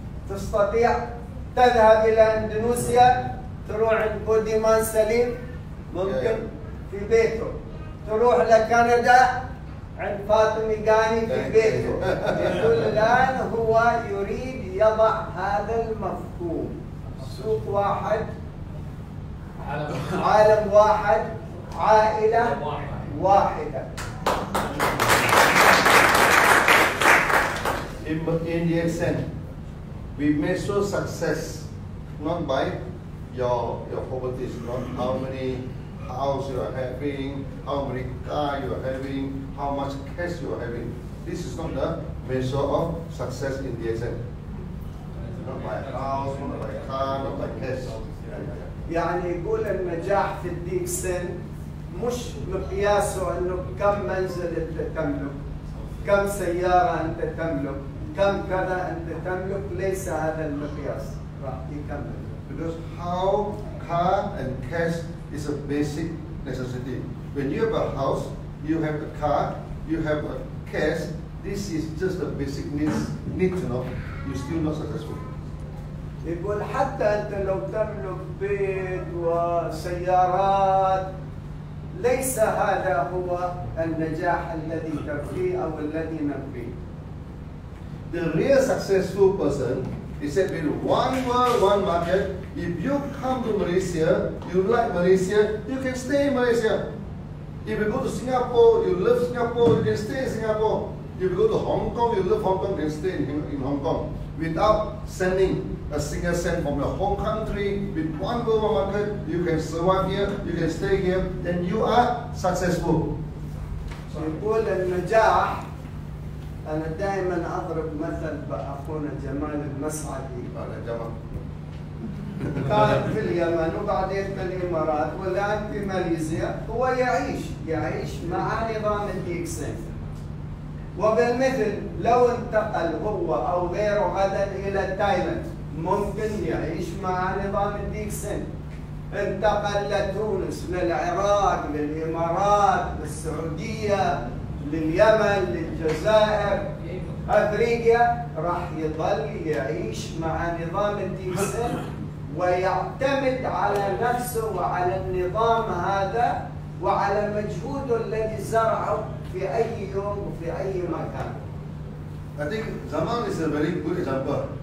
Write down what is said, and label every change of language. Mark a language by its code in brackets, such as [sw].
[ar] تستطيع تذهب إلى إندونيسيا تروح عند بوديمان سليم ممكن في بيته تروح لكندا عند فاطمة غاني في بيته يقول الآن هو يريد يضع هذا المفهوم سوق واحد عالم واحد عائلة واحدة. [en] In the end, we measure success not by your properties, not how many house you are having, how many car you are having, how much cash you are having. This is not the measure of success in the end. Not by house, not by car, not by cash. [ar] يعني يقول النجاح في الديكسن مش مقياسه انه كم منزل انت تملك كم سيارة انت تملك كم كذا انت تملك ليس هذا المقياس راح يكمل [en] because how car and cash is a basic necessity when you have a house you have a car you have a cash this is just a basic need to know you're still not successful [ar] يقول حتى انت لو تملك بيت وسيارات ليس هذا هو النجاح الذي ترفيه او الذي نرفيه. [en] The real successful person is that with one world, one market, if you come to Malaysia, you like Malaysia, you can stay in Malaysia. If you go to Singapore, you love Singapore, you can stay in Singapore. If you go to Hong Kong, you love Hong Kong, you can stay in Hong Kong without sending. A single cent from your home country with one global market, you can survive here, you can stay here, then you are successful. [ar] So يقول النجاح أنا دائما أضرب مثل بأخونا جمال المسعدي. أنا جمال. كان في اليمن وبعدين في الإمارات والآن في ماليزيا هو يعيش مع نظام الديكسن. وبالمثل لو انتقل هو أو غيره غدا إلى تايلاند ممكن يعيش مع نظام الديكسن انتقل لتونس للعراق للامارات للسعوديه لليمن للجزائر افريقيا راح يظل يعيش مع نظام الديكسن ويعتمد على نفسه وعلى النظام هذا وعلى مجهوده الذي زرعه في في أي يوم وفي أي مكان. [en] I think Zaman is a very good example.